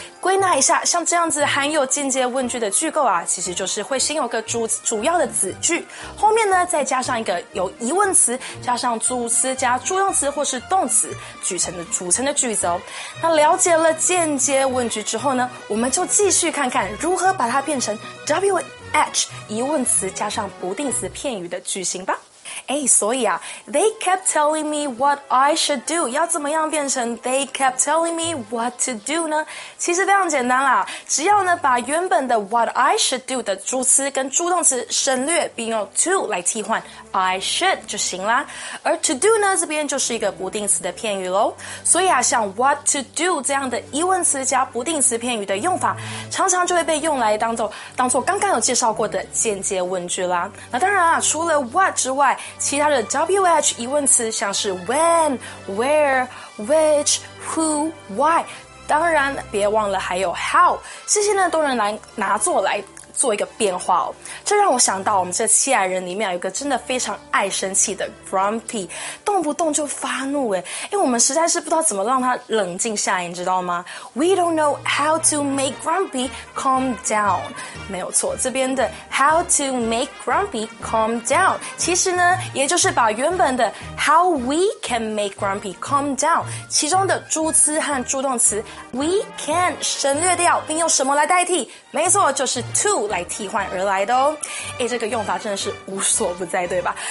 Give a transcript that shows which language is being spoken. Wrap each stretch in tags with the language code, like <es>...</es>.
<zh>归纳一下，像这样子含有间接问句的句构啊，其实就是会先有个主要的子句，后面呢再加上一个有疑问词加上主词加助动词或是动词组成的句子哦。那了解了间接问句之后呢，我们就继续看看如何把它变成 WH 疑问词加上不定词片语的句型吧。诶，所以啊</zh> <en>They kept telling me what I should do</en> <zh>要怎么样变成</zh> <en>They kept telling me what to do</en> <zh>呢？其实非常简单啦，只要呢把原本的</zh> <en>what I should do</en> <zh>的助词跟助动词省略，并用 to 来替换 I should 就行啦。而 to do 呢这边就是一个不定词的片语咯，所以啊像 what to do 这样的疑问词加不定词片语的用法，常常就会被用来当作刚刚有介绍过的间接问句啦。那当然啊，除了 what 之外，其他的 WH 疑问词像是 when, where, which, who, why， 当然别忘了还有 how， 这些呢都能拿作一个变化哦。这让我想到我们这七矮人里面有一个真的非常爱生气的 Grumpy， 动不动就发怒耶，因为我们实在是不知道怎么让他冷静下来，你知道吗？</zh> <en>We don't know how to make Grumpy calm down。</en> <zh>没有错，这边的</zh> <en>how to make Grumpy calm down</en> <zh>其实呢也就是把原本的</zh> <en>how we can make Grumpy calm down</en> <zh>其中的助词和助动词 we can 省略掉，并用什么来代替，没错，就是 to 来替换而来的哦。诶，这个用法真的是无所不在，对吧？</zh>